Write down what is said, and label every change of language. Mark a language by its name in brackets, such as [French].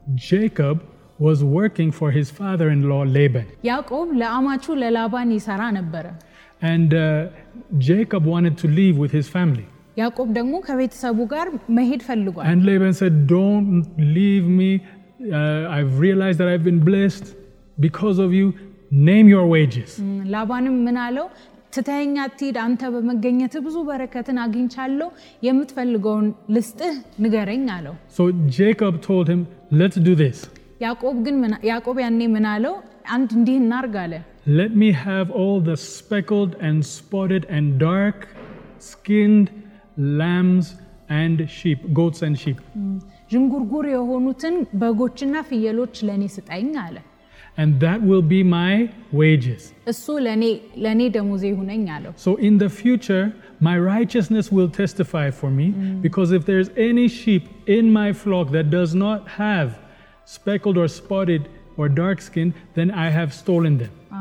[English] Jacob was working for his father-in-law Laban. [Amharic] ያዕቆብ ለአማቹ ለላባን ይሰራ ነበር። [English] And Jacob wanted to leave with his family. [Amharic] ያዕቆብ ደግሞ ከቤተሰቡ ጋር መሄድ ፈልጓል። [English] And Laban said, "Don't leave me. I've realized that I've been blessed because of you. Name your wages." [Amharic] ላባንም ምን አለው? "ተተኛ ትይድ አንተ በመገኘት ብዙ በረከትን አግኝቻለሁ የምትፈልገውን ልስጥህ ንገረኝ" አለው። [English] So Jacob told him, "Let's do this." [Amharic] ያዕቆብ ግን ያዕቆብ ያኔ ምን አለው? "አንድ እንዲህ እናርጋለ." [English] "Let me have all the speckled and spotted and dark skinned lambs and sheep, goats and sheep." [Amharic] ጅንጉርጉር የሆኑትን በጎችና ፍየሎች ለኔ ስጠኝ አለ። [English] "And that will be my wages." [Amharic] እሱ ለኔ ደሞዜ ሆነኝ አለ። [English] "So in the future my righteousness will testify for me because if there's any sheep in my flock that does not have speckled or spotted or dark skin, then I have stolen them."